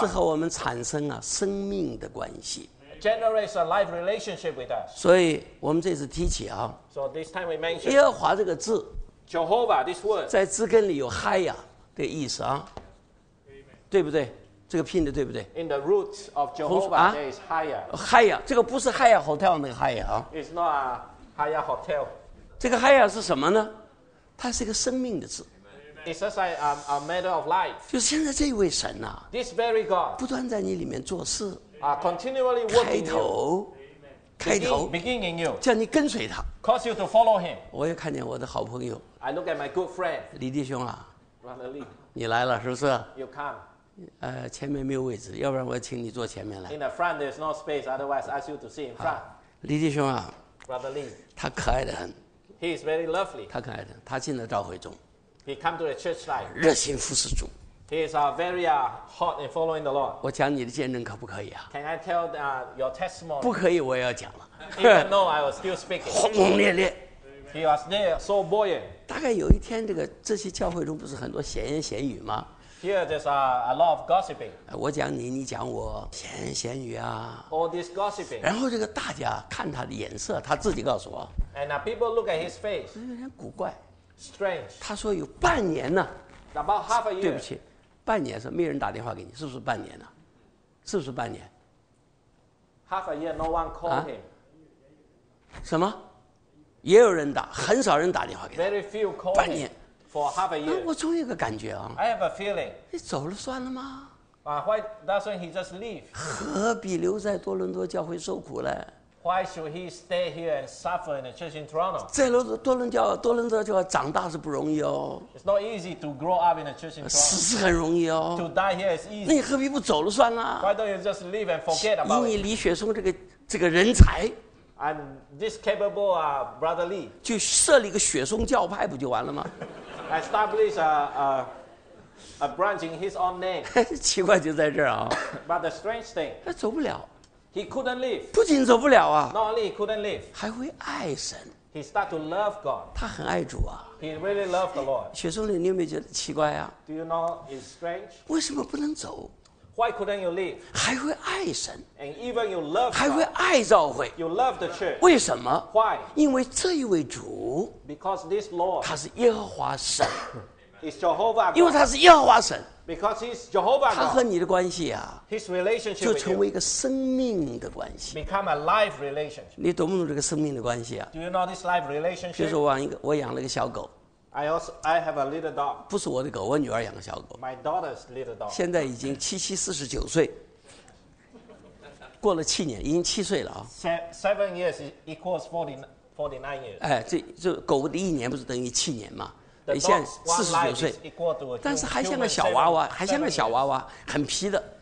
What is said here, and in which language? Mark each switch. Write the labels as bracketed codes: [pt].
[zh] 是和我们产生啊生命的关系。 [en] Generates a life relationship with us. [zh] 所以我们这次提起啊。 [en] So this time we mention [zh] 耶和华这个字。 [en] Jehovah, this word [zh] 在字根里有嗨呀的意思啊， [en] Amen. [zh] 对不对？这个拼的对不对 [en] ？In the roots of Jehovah, there is higher. [zh] Higher, 这个不是 higher hotel 那个 higher 啊。 [en] It's not a higher hotel. [zh] 这个 higher 是什么呢？它是一个生命的字。 [en] It's just like a matter of life. [zh] 就是现在这位神呐、啊。 [en] This very God. [zh] 不断在你里面做事。 [en] Continually working. [zh] 开头。开头。 [en] Begin in you. [zh] 叫你跟随他。 [en] Cause you to follow him. [zh] 我也看见我的好朋友。 [en] I look at my good friend. [zh] 李弟兄啊。 [en] Brother Lee. [zh] 你来了是不是 [en] ？You come. [zh] 前面没有位置，要不然我请你坐前面来。 [en] In the front there's no space, otherwise I ask you to sit in front. [zh] 李弟兄啊 [en] ，Brother Lee， [zh] 他可爱的很。 [en] He is very lovely. [zh] 他可爱的，他进了召会中。 [en] He come to the church life. [zh] 热心服侍主。 [en] He is very hot in following the Lord. [zh] 我讲你的见证可不可以啊 [en] ？Can I tell your testimony? [zh] 不可以，我也要讲了。 [en] Even no, I will still speak. [zh] 轰轰烈烈。 [en] He was there so buoyant. [zh] 大概有一天，这些教会中不是很多闲言闲语吗？ [en] Here there's a lot of gossiping. [zh] 我讲你，你讲我，闲言闲语啊。 [en] All this gossiping. [zh] 然后这个大家看他的眼色，他自己告诉我。 [en] And people look at his face. [zh] 有点古怪。 [en] Strange. [zh] 他说有半年呢。 [en] About half a year. [zh] 对不起，半年是没人打电话给你，是不是半年呢？是不是半年 [en] ？Half a year, no one called him. [zh] 什么？也有人打，很少人打电话给他。 [en] Very few called. [zh] 半年。 [en] For half a year. [zh] 我总有个感觉啊。 [en] I have a feeling. [zh] 你走了算了吗 [en] ？Why doesn't he just leave? [zh] 何必留在多伦多教会受苦嘞 [en] ？Why should he stay here and suffer in the church in Toronto? [zh] 在多伦多教会长大是不容易哦。 [en] It's not easy to grow up in a church in Toronto. [zh] 死是很容易哦。 [en] To die here is easy. [zh] 那你何必不走了算了 [en] ？Why don't you just leave and forget about it? [zh] 以你李雪松这个人才。 [en] I'm this capable, Brother Lee. [zh] 就设立一个雪松教派不就完了吗？ [en] Establish a branch in his own name. [zh] 奇怪就在这儿啊。 [en] But the strange thing. [zh] 他走不了。 [en] He couldn't leave. [zh] 不仅走不了啊。 [en] Not only he couldn't leave. [zh] 还会爱神。 [en] He start to love God. [zh] 他很爱主啊。 [en] He really loved the Lord. [zh] 雪松里，你有没有觉得奇怪啊 [en] ？Do you know it's strange? [zh] 为什么不能走 [en] ？Why couldn't you leave? [zh] 还会爱神。 [en] And even you love. [zh] 还会爱召会。 [en] You love the church. [zh] 为什么 [en] ？Why? [zh] 因为这一位主。 [en] Because this Lord, [zh] 他是耶和华神 [en] ，is Jehovah God. [zh] 因为他是耶和华神 [en] ，because he's Jehovah God. [zh] 他和你的关系啊 [en] ，his relationship [zh] 就成为一个生命的关系 [en] ，become a life relationship. [zh] 你懂不懂这个生命的关系啊 [en] ？Do you know this life relationship? [zh] 就是我养了一个小狗 [en] ，I have a little dog. [zh] 不是我的狗，我女儿养的小狗 [en] ，my daughter's little dog. [zh] 现在已经47、49岁。过了7年，已经7岁了啊。 [en] Seven years equals 49 years. [zh] 哎，这狗的一年不是等于7年吗？你现在49岁，但是还像个小娃娃，还像个小娃娃，很皮的。